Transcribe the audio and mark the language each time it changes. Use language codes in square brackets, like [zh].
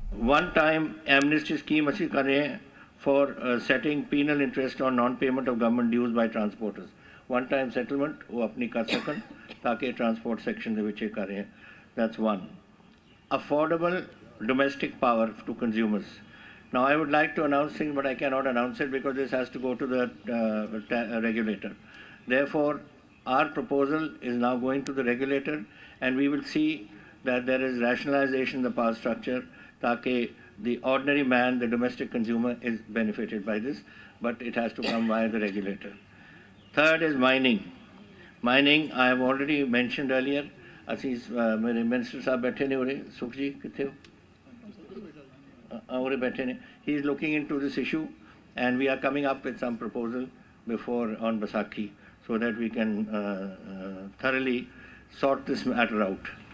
[en] one time amnesty scheme [pa] ਅਸੀਂ ਕਰ ਰਹੇ ਹਾਂ [en] For setting penal interest on non payment of government dues by transporters. [pa] One time settlement ਉਹ ਆਪਣੀ ਕਰ ਸਕਣ ਤਾਂ ਕਿ ਟਰਾਂਸਪੋਰਟ ਸੈਕਸ਼ਨ ਦੇ ਵਿੱਚ ਇਹ ਕਰ ਰਹੇ ਹਾਂ। [en] That's one. Affordable domestic power to consumers. Now I would like to announce things, but I cannot announce it because this has to go to the regulator. Therefore, our proposal is now going to the regulator, and we will see that there is rationalization in the power structure, taaki the ordinary man, the domestic consumer, is benefited by this, but it has to come via the regulator. Third is mining. Mining, I have already mentioned earlier, [pa] ਅਸੀਂ ਮੇਰੇ minister ਸਾਹਿਬ ਬੈਠੇ ਨੇ ਉਰੇ, ਸੁਖ ਜੀ ਕਿੱਥੇ ਹੋ, ਉਰੇ ਬੈਠੇ ਨੇ। [en] He is looking into this issue and we are coming up with some proposal before on Vaisakhi so that we can thoroughly sort this matter out.